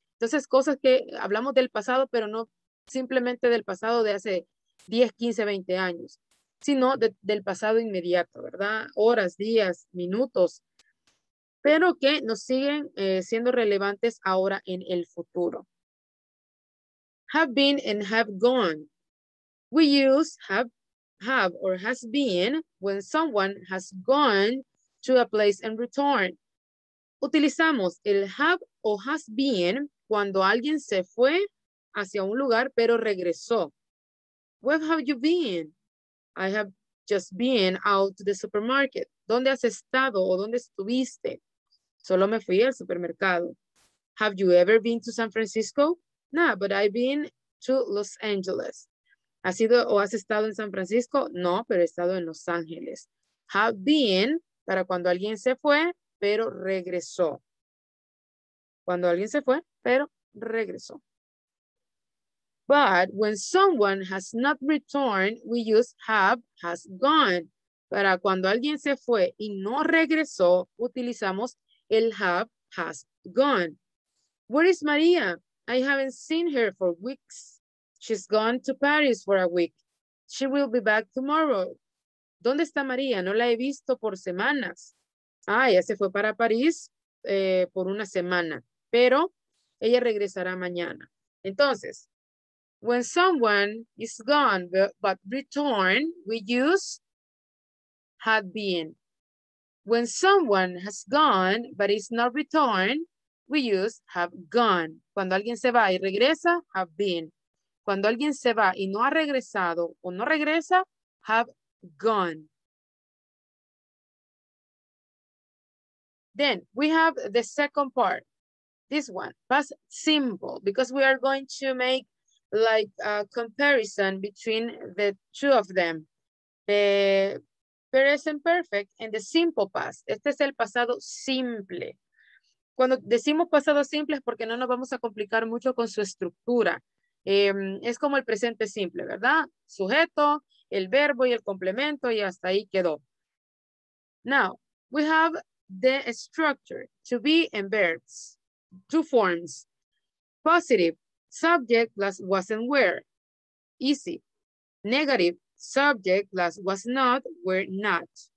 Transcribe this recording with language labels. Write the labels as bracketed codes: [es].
[es] Entonces, cosas que hablamos del pasado, pero no simplemente del pasado de hace 10, 15, 20 años, sino del pasado inmediato, ¿verdad? Horas, días, minutos, pero que nos siguen siendo relevantes ahora en el futuro. [en] Have been and have gone. We use have or has been when someone has gone to a place and returned. [es] Utilizamos el have o has been cuando alguien se fue hacia un lugar, pero regresó. [en] Where have you been? I have just been out to the supermarket. [es] ¿Dónde has estado o dónde estuviste? Solo me fui al supermercado. [en] Have you ever been to San Francisco? No, but I've been to Los Angeles. [es] ¿Has ido o has estado en San Francisco? No, pero he estado en Los Ángeles. Have been para cuando alguien se fue, pero regresó. Cuando alguien se fue, pero regresó. [en] But when someone has not returned, we use have, has gone. [es] Para cuando alguien se fue y no regresó, utilizamos el have, has gone. [en] Where is Maria? I haven't seen her for weeks. She's gone to Paris for a week. She will be back tomorrow. [es] ¿Dónde está María? No la he visto por semanas. Ah, ella se fue para París por una semana, pero ella regresará mañana. [en] Entonces, when someone is gone but returned, we use had been. When someone has gone but is not returned, we use have gone. [es] Cuando alguien se va y regresa, have been. Cuando alguien se va y no ha regresado o no regresa, have gone. [en] Then we have the second part. This one, past simple, because we are going to make like a comparison between the two of them. The present perfect and the simple past. [es] Este es el pasado simple. Cuando decimos pasado simple es porque no nos vamos a complicar mucho con su estructura. Es como el presente simple, ¿verdad? Sujeto, el verbo y el complemento y hasta ahí quedó. [en] Now, we have the structure, to be and verbs, two forms. Positive, subject plus wasn't were, easy. Negative, subject plus was not, were not.